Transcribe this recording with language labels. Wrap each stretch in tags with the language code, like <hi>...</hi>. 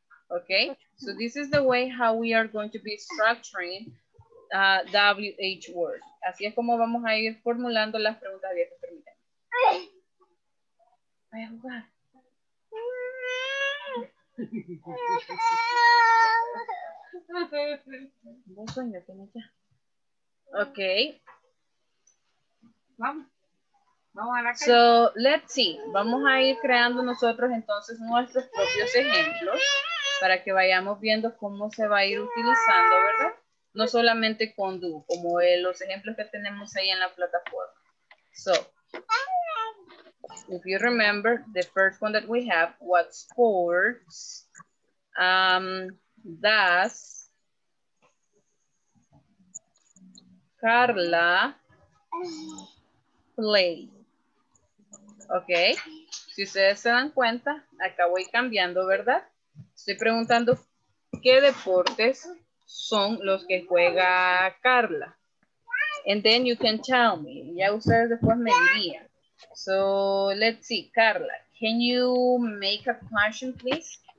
<en>Okay, so this is the way how we are going to be structuring WH word.</en> <es>Así es como vamos a ir formulando las preguntas que te permiten. Voy a jugar. Un sueño tiene ya. Ok. Vamos.</es> <en>So, let's see.</en> <es>Vamos a ir creando nosotros entonces nuestros propios ejemplos para que vayamos viendo cómo se va a ir utilizando, ¿verdad? No solamente con do, como los ejemplos que tenemos ahí en la plataforma.</es> <en>So, if you remember, the first one that we have, what sports does Carla play?</en> <es>Okay, si ustedes se dan cuenta, acá voy cambiando, ¿verdad? Estoy preguntando, ¿qué deportes son los que juega Carla?</es> <en>And then you can tell me.</en> <es>Ya ustedes después me dirían.</es> <en>So, let's see. Carla, can you make a question, please?</en>